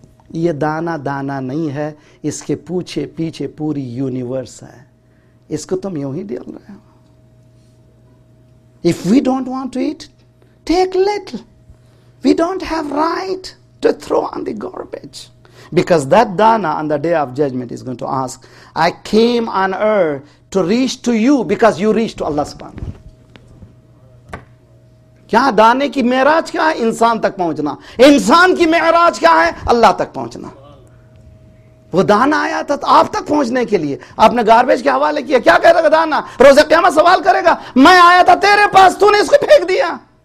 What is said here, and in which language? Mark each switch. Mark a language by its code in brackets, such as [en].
[ur] یہ دانہ دانہ نہیں ہے, اس کے پوچھے پیچھے پوری یونیورس ہے. اس کو تم یوں ہی ڈال رہے ہو. [en] If we don't want to eat, take little. We don't have right to throw on the garbage. Because that dana on the day of judgment is going to ask, I came on earth to reach to you because you reached to Allah subhanahu. [ur] کیا دانے کی معراج کیا ہے؟ انسان تک پہنچنا. انسان کی معراج کیا ہے؟ اللہ تک پہنچنا. وہ دانا آیا تھا آپ تک پہنچنے کے لیے, آپ نے گاربیج کے حوالے کیا. کیا کہہ رہا دانا؟ روز قیامت سوال کرے گا, میں آیا تھا تیرے پاس, تو نے اس کو پھینک دیا.